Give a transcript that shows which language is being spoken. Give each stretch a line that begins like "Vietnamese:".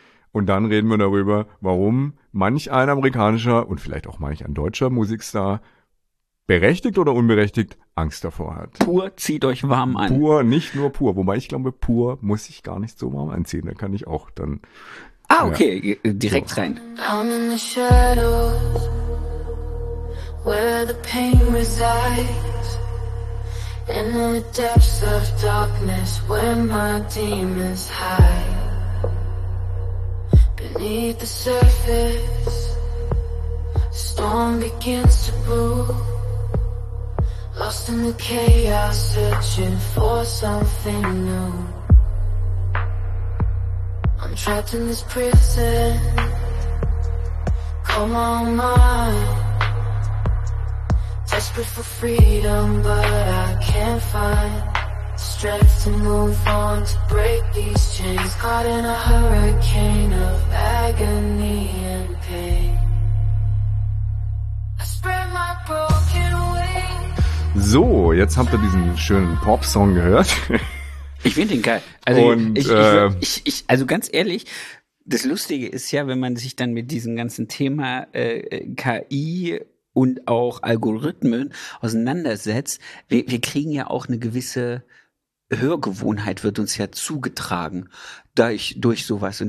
German: Und dann reden wir darüber, warum manch ein amerikanischer und vielleicht auch manch ein deutscher Musikstar berechtigt oder unberechtigt Angst davor hat. Pur zieht euch warm an. Pur, nicht nur pur. Wobei ich glaube, pur muss ich gar nicht so warm anziehen. Da kann ich auch dann. Ah, okay, ja. Direkt so. Rein.
English: I'm in the shadows, where the pain resides. In the depths of darkness, where my demons hide. Beneath the surface, storm begins to brew. Lost in the chaos, searching for something new. I'm trapped in this prison. Call my mind. Desperate for freedom, but I can't find strength to move on, to break these chains. Caught in a hurricane of agony and pain. I spread my broken wings.
German: So, jetzt habt ihr diesen schönen Pop-Song gehört. Ich finde den geil. Also, Und ganz ehrlich, das Lustige ist ja, wenn man sich dann mit diesem ganzen Thema KI und auch Algorithmen auseinandersetzt, wir kriegen ja auch eine gewisse Hörgewohnheit, wird uns ja zugetragen durch sowas.